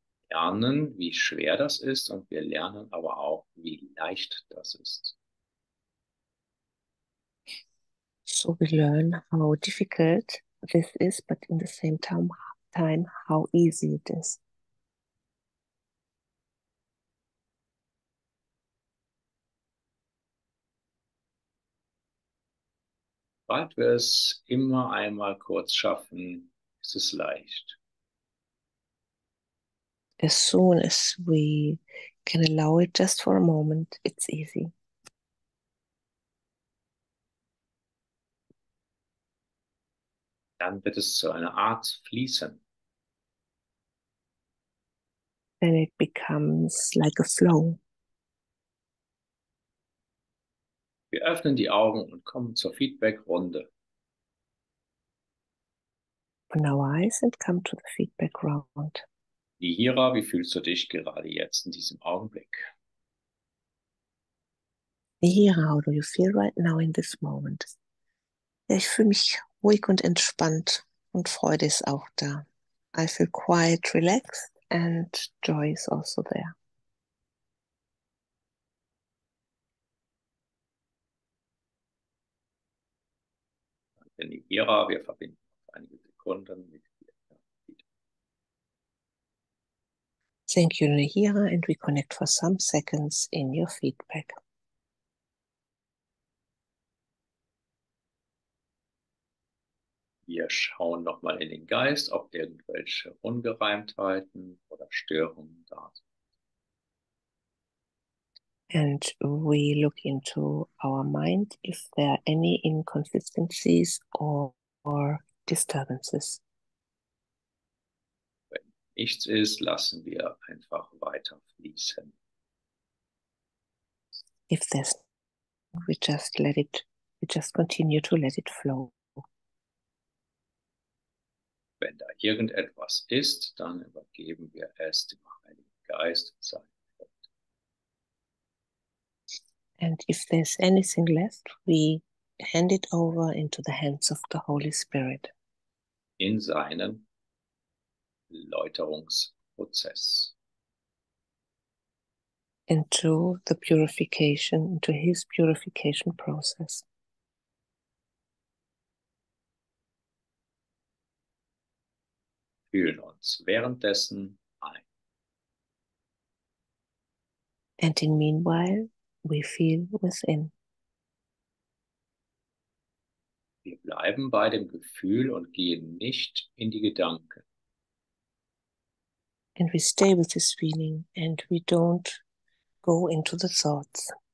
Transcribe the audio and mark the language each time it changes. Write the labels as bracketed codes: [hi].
[de] Lernen, wie schwer das ist, und wir lernen aber auch, wie leicht das ist. [en] So we learn how difficult this is, but in the same time how easy it is. [de] Bald wir es immer einmal kurz schaffen, ist es leicht. [en] As soon as we can allow it just for a moment, it's easy. [de] Dann wird es zu einer Art fließen. [en] Then it becomes like a flow. [de] Wir öffnen die Augen und kommen zur Feedback-Runde. [en] Open our eyes and come to the feedback round. [de] Nihira, wie fühlst du dich gerade jetzt in diesem Augenblick? [en] Nihira, how do you feel right now in this moment? [de] Ja, ich fühle mich ruhig und entspannt und Freude ist auch da. [en] I feel quiet, relaxed and joy is also there. [de] Danke, Nihira, wir verbinden uns einige Sekunden mit. [en] Thank you, Nihira, and we connect for some seconds in your feedback. [de] Wir schauen nochmal in den Geist, ob irgendwelche Ungereimtheiten oder Störungen da sind. [en] And we look into our mind, if there are any inconsistencies or disturbances. [de] Nichts ist, lassen wir einfach weiter fließen. [en] If there's, we just continue to let it flow. [de] Wenn da irgendetwas ist, dann übergeben wir es dem Heiligen Geist und seinem Gott. [en] And if there's anything left, we hand it over into the hands of the Holy Spirit. [de] In seinen Läuterungsprozess. [en] Into the purification, into his purification process. [de] Fühlen uns währenddessen ein. [en] And in meanwhile, we feel within. [de] Wir bleiben bei dem Gefühl und gehen nicht in die Gedanken. [en] And we stay with this feeling and we don't go into the thoughts.